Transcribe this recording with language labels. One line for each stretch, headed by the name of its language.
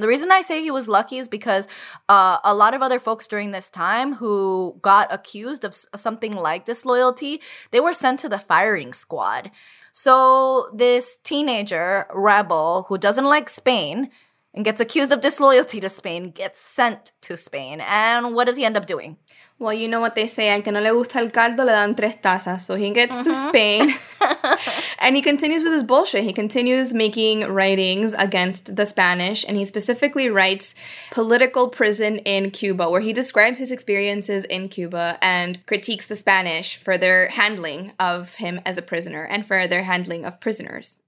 English: The reason I say he was lucky is because a lot of other folks during this time who got accused of something like disloyalty, they were sent to the firing squad. So this teenager rebel who doesn't like Spain and gets accused of disloyalty to Spain gets sent to Spain. And what does he end up doing? Well, you know what they say,
Spanish: al que no le gusta el caldo, le dan tres tazas.
English: So he gets to Spain, and he continues with his bullshit. He continues making writings against the Spanish, and he specifically writes Political Prison in Cuba, where he describes his experiences in Cuba and critiques the Spanish for their handling of him as a prisoner and for their handling of prisoners.